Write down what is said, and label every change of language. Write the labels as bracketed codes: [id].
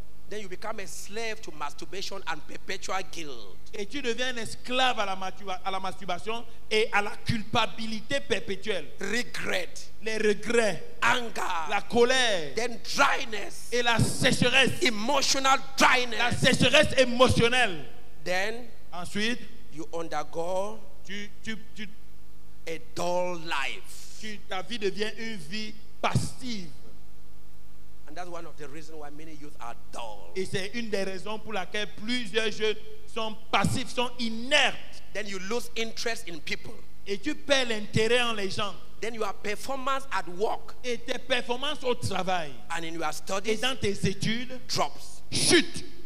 [en] Then you become a slave to masturbation and perpetual guilt, [fr] et tu deviens un esclave à la masturbation et à la culpabilité perpétuelle. [en] Regret, [fr] les regrets, [en] anger, [fr] la colère. [en] Then dryness, [fr] et la sécheresse, [en] emotional dryness, [fr] la sécheresse émotionnelle. [en] Then [fr] ensuite [en] you undergo [fr] tu [en] a dull life, [fr] ta vie devient une vie passive. [en] And that's one of the reasons why many youth are dull. [fr] Et c'est une des raisons pour laquelle plusieurs jeunes sont passifs, sont inertes. [en] Then you lose interest in people. [fr] Et tu perds l'intérêt en les gens. [en] Then your performance at work. [fr] Et tes performances au travail. [en] And in your studies. [fr] Et dans tes études. [en] Drops. [fr] Chute.